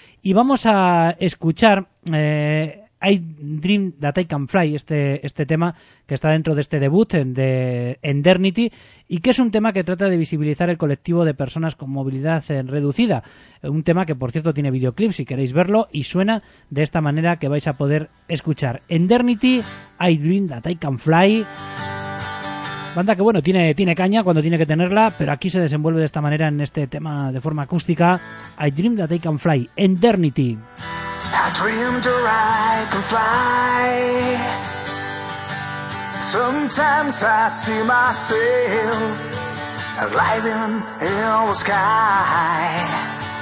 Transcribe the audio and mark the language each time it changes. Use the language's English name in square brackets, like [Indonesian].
[Spanish] Y vamos a escuchar I Dream That I Can Fly, este tema que está dentro de este debut de Endernity, y que es un tema que trata de visibilizar el colectivo de personas con movilidad reducida. Un tema que, por cierto, tiene videoclip si queréis verlo, y suena de esta manera que vais a poder escuchar. Endernity, I Dream That I Can Fly. Banda que, bueno, tiene caña cuando tiene que tenerla, pero aquí se desenvuelve de esta manera en este tema de forma acústica. I Dream That I Can Fly, Endernity. [English] I dreamed that I can fly. Sometimes I see myself gliding in the sky.